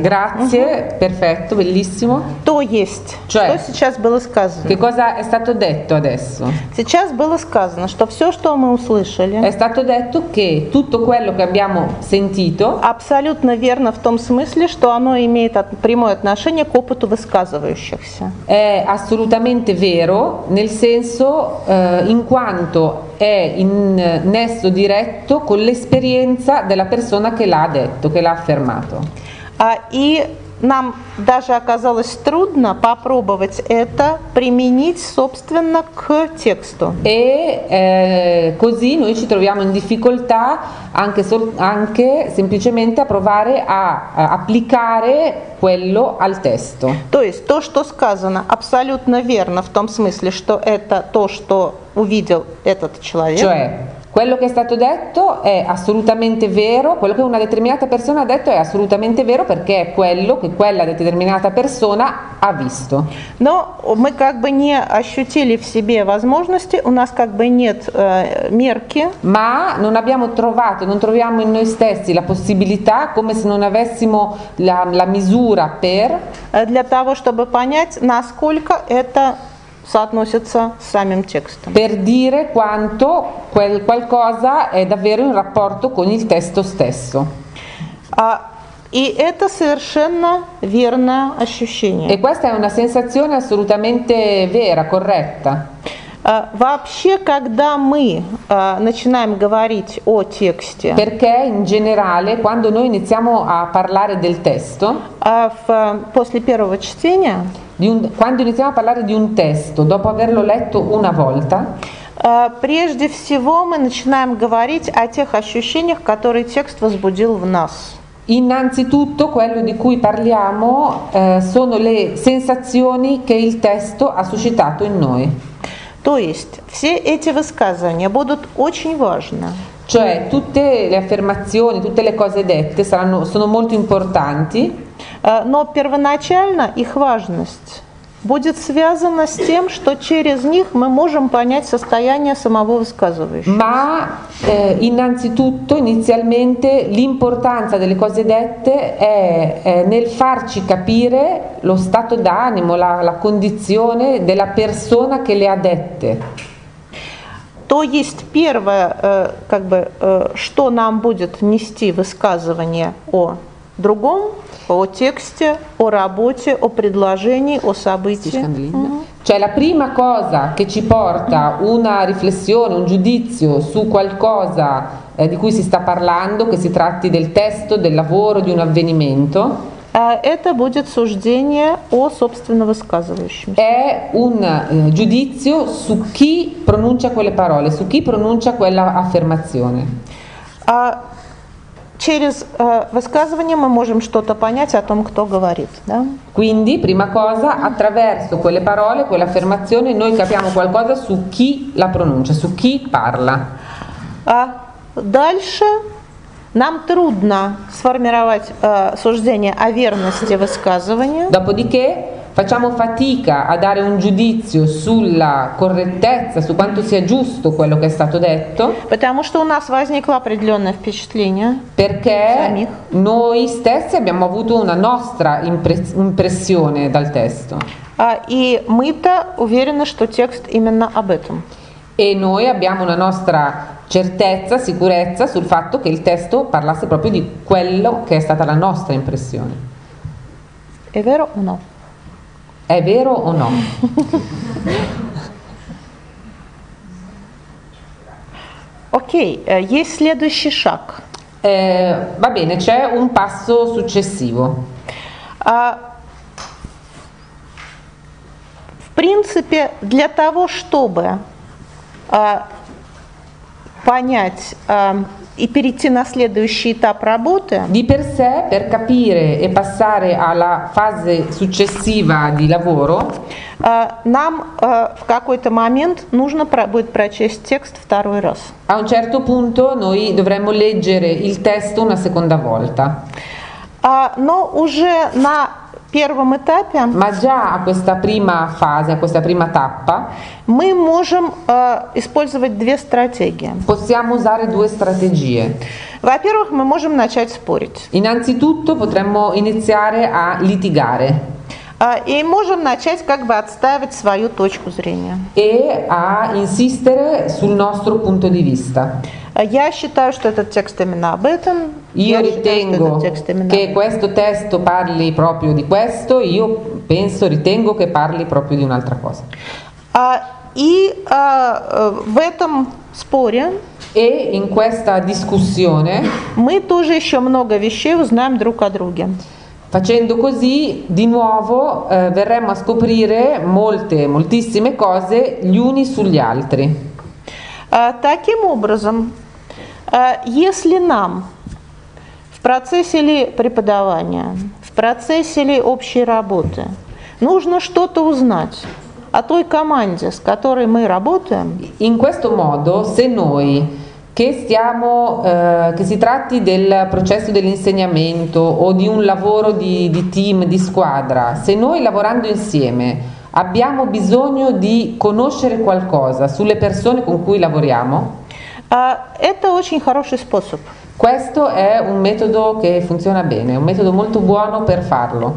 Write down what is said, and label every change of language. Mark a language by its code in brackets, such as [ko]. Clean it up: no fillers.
[it] Grazie, perfetto, bellissimo. [ru] То есть, cioè, что сейчас было сказано? [it] Che cosa è stato detto adesso? [ru] Сейчас было сказано, что все, что мы услышали, [it] è stato detto che tutto quello che abbiamo sentito, [ru] абсолютно верно в том смысле, что оно имеет прямое отношение к опыту высказывающихся. [it] È assolutamente vero, nel senso, in quanto è in nesso diretto con l'esperienza della persona che l'ha detto, che l'ha affermato. [ru] И нам даже оказалось трудно попробовать это применить собственно к тексту. [it] E così noi ci troviamo in difficoltà anche semplicemente a provare a applicare quello al testo. [ru] То есть то, что сказано, абсолютно верно в том смысле, что это то, что увидел этот человек. [it] Cioè, quello che è stato detto è assolutamente vero, quello che una determinata persona ha detto è assolutamente vero perché è quello che quella determinata persona ha visto. [ru] Но мы как бы не ощутили в себе возможности, у нас как бы нет мерки. [it] Ma non abbiamo trovato, non troviamo in noi stessi la possibilità, come se non avessimo la misura per [ru] для того, чтобы понять, насколько это соотносится с самим текстом. [it] Per dire quanto qualcosa è davvero in rapporto con il testo stesso. [ru] И это совершенно верное ощущение. [it] E questa è una sensazione assolutamente vera, corretta. [ru] Вообще, когда мы начинаем говорить о тексте, [it] perché in generale quando noi iniziamo a parlare del testo, [ru] после первого чтения, [it] quando iniziamo a parlare di un testo dopo averlo letto una volta, [ru] прежде всего мы начинаем говорить о тех ощущениях, которые текст возбудил в нас. [it] Innanzitutto quello di cui parliamo sono le sensazioni che il testo ha suscitato in noi. [ru] То есть все эти высказывания будут очень важны. [it] Cioè tutte le affermazioni, tutte le cose dette sono molto importanti. [ru] Но первоначально их важность будет связана с тем, что через них мы можем понять состояние самого высказывающегося. [it] Ma innanzitutto, inizialmente, l'importanza delle cose dette è nel farci capire lo stato d'animo, la condizione della persona che le ha dette. [ru] То есть первое, как бы, что нам будет нести высказывание о другом, о тексте, о работе, о предложении, о событии. [it] Cioè la prima cosa che ci porta una riflessione, un giudizio su qualcosa di cui si sta parlando, che si tratti del testo, del lavoro, di un avvenimento, [ru] это будет суждение о собственно высказывающемся. [it] È un giudizio su chi pronuncia quelle parole, su chi pronuncia quella affermazione. [ru] Через высказывание мы можем что-то понять о том, кто говорит, да? [it] Quindi, prima cosa, attraverso quelle parole, quella affermazione, noi capiamo qualcosa su chi la pronuncia, su chi parla. [ru] Дальше нам трудно сформировать суждение о верности высказывания. [it] Dopodiché, facciamo fatica a dare un giudizio sulla correttezza, su quanto sia giusto quello che è stato detto. [ru] Потому что у нас возникло определенное впечатление. [it] Perché noi stessi abbiamo avuto una nostra impressione dal testo. [ru] И мы-то уверены, что текст именно об этом. [it] e noi abbiamo una nostra certezza, sicurezza sul fatto che il testo parlasse proprio di quello che è stata la nostra impressione. È vero o no? È vero o no? [ru] Ok, є следующий шаг. [it] Va bene, c'è un passo successivo. [ru] В принципе, для того, чтобы понять и перейти на следующий этап работы. [it] Di per sé, per capire e passare alla fase successiva di lavoro. [ru] Нам в какой-то момент нужно будет прочесть текст второй раз. [it] A un certo punto noi dovremmo leggere il testo una seconda volta. [ru] Но уже на первом этапе. [it] Ma già a questa prima fase, a questa prima tappa. [ru] Мы можем использовать две стратегии. [it] Possiamo usare due strategie. [ru] Во-первых, мы можем начать спорить. [it] Innanzitutto potremmo iniziare a litigare. [ru] И можем начать как бы отстаивать свою точку зрения. [it] E a insistere sul nostro punto di vista. [ru] Я считаю, что этот текст именно об этом. [it] Io ritengo che questo testo parli proprio di questo. Io penso, ritengo che parli proprio di un'altra cosa. [ru] В этом споре. [it] E in questa discussione. [ru] Мы тоже еще много вещей узнаем друг о друге. [it] Facendo così, di nuovo verremo a scoprire molte, moltissime cose gli uni sugli altri. [ru] Таким образом. Если нам в процессе ли преподавания, в процессе ли общей работы нужно что-то узнать о той команде, с которой мы работаем, [it] in questo modo, se noi che stiamo che si tratti del processo dell'insegnamento o di un lavoro di team, di squadra, se noi lavorando insieme abbiamo bisogno di conoscere qualcosa sulle persone con cui lavoriamo. [ru] Это очень хороший способ. [it] Questo è un metodo che funziona bene, un metodo molto buono per farlo.